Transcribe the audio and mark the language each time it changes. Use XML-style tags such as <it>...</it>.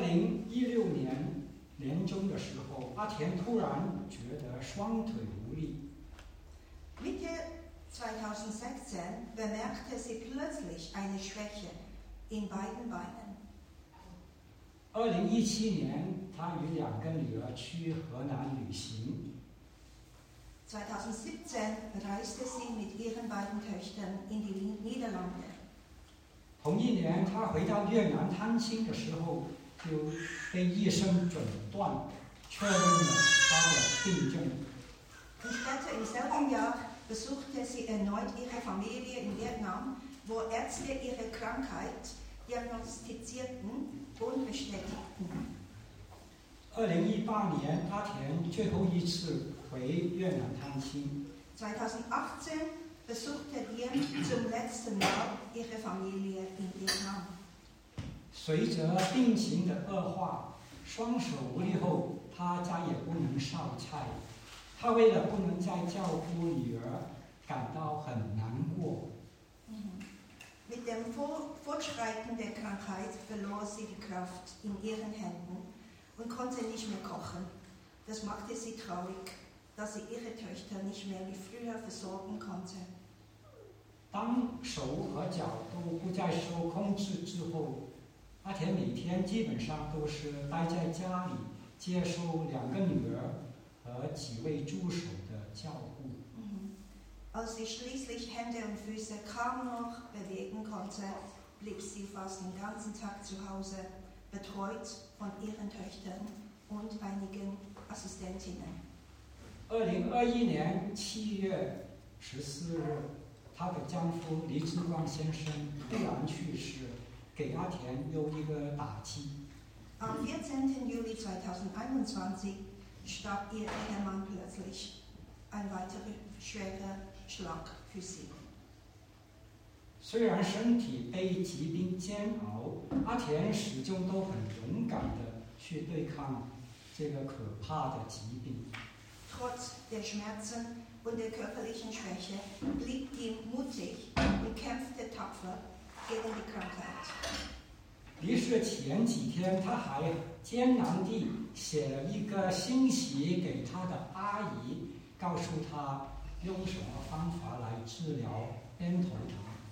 <zh>2016年年中的时候，阿田突然觉得双腿无力。</zh> <de>Mitte 2016 bemerkte sie plötzlich eine Schwäche in beiden Beinen.</de> <zh>2017年，她与两个女儿去河南旅行。</zh> <de>2017 reiste sie mit ihren beiden Töchtern in die Niederlande.</de> <zh>同一年，她回到越南探亲的时候，就被医生诊断确认了她的病症。</zh> <de>Und später im selben Jahr besuchte sie erneut ihre Familie in Vietnam, wo Ärzte ihre Krankheit diagnostizierten und bestätigten.</de> <zh>2018年，阿田最后一次回越南探亲。</zh> <de>2018besuchte Diem zum letzten Mal ihre Familie in Vietnam.</de> <zh>随着病情的恶化，双手无力后，他再也不能烧菜。他为了不能再照顾女儿，感到很难过。</zh> <de>Mit dem Fortschreiten der Krankheit verlor sie die Kraft in ihren Händen und konnte nicht mehr kochen. Das machte sie traurig, dass sie ihre Töchter nicht mehr wie früher versorgen konnte.</de> <zh>当手和脚都不再受控制之后，阿田每天基本上都是待在家里，接受两个女儿和几位助手的照顾。</zh> <de>Als sie schließlich Hände und Füße kaum noch bewegen konnte, blieb sie fast den ganzen Tag zu Hause, betreut von ihren Töchtern und einigen Assistentinnen.</de> <zh>2021年7月14日，她的丈夫黎志光先生突然去世，给阿田又一个打击。</zh> <de>Am 14. Juli 2021 starb ihr Ehemann plötzlich. Ein weiterer schwerer Schlag für sie.</de> <zh>虽然身体被疾病煎熬，阿田始终都很勇敢地去对抗这个可怕的疾病。</zh> <de>Trotz der Schmerzen und der körperlichen Schwäche blieb ihm mutig und kämpfte tapfer gegen die Krankheit.</de> <zh>离世前几天，他还艰难地写了一个信息给他的阿姨，告诉他用什么方法来治疗偏头疼。</zh>